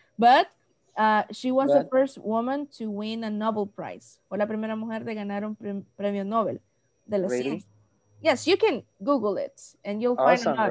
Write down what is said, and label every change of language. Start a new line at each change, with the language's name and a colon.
English: But she was the first woman to win a Nobel Prize.
Spanish: Fue la primera mujer de ganar un premio Nobel de la ciencia.
English: Yes, you can Google it and you'll find out.